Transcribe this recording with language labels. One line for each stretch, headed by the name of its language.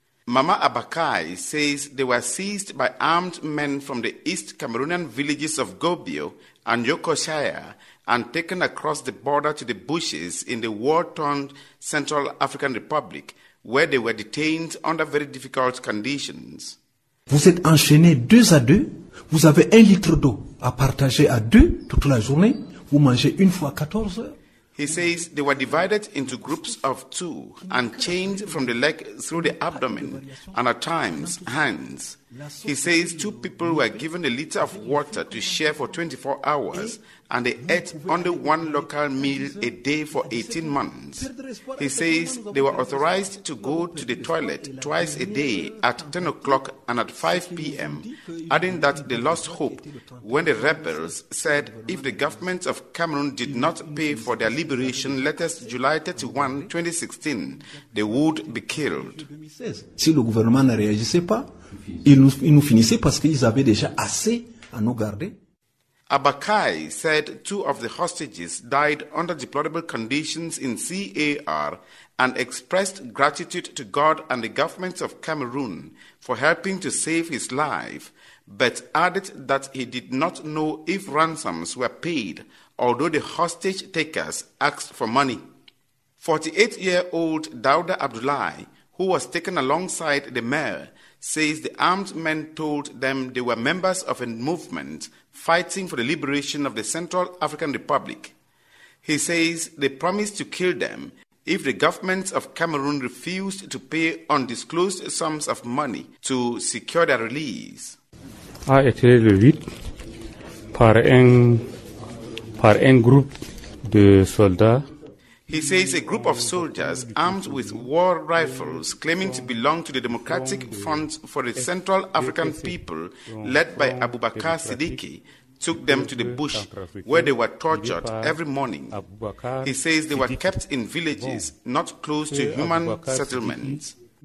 English: Mama Abakai says they were seized by armed men from the East Cameroonian villages of Gobio and Yokoshaya and taken across the border to the bushes in the war-torn Central African Republic, where they were detained under very difficult conditions.
French: Vous êtes enchaînés deux à deux. Vous avez un litre d'eau à partager à deux toute la journée. Vous mangez une fois 14 heures.
English: He says they were divided into groups of two and chained from the leg through the abdomen and at times hands. He says two people were given a liter of water to share for 24 hours and they ate only one local meal a day for 18 months. He says they were authorized to go to the toilet twice a day at 10 o'clock and at 5 p.m., adding that they lost hope when the rebels said if the government of Cameroon did not pay for their liberation letters July 31, 2016, they would be killed.
French: Si le gouvernement ne réagissait pas, ils nous finissaient parce qu'ils avaient déjà assez à nous garder.
English: Abakai said two of the hostages died under deplorable conditions in CAR and expressed gratitude to God and the government of Cameroon for helping to save his life, but added that he did not know if ransoms were paid, although the hostage takers asked for money. 48-year-old Dauda Abdullahi, who was taken alongside the mayor, says the armed men told them they were members of a movement fighting for the liberation of the Central African Republic. He says they promised to kill them if the government of Cameroon refused to pay undisclosed sums of money to secure their release.
French: A été levé par un groupe de soldats.
English: He says a group of soldiers armed with war rifles claiming to belong to the Democratic Front for the Central African People, led by Abubakar Siddiqui, took them to the bush where they were tortured every morning. He says they were kept in villages not close to human settlements.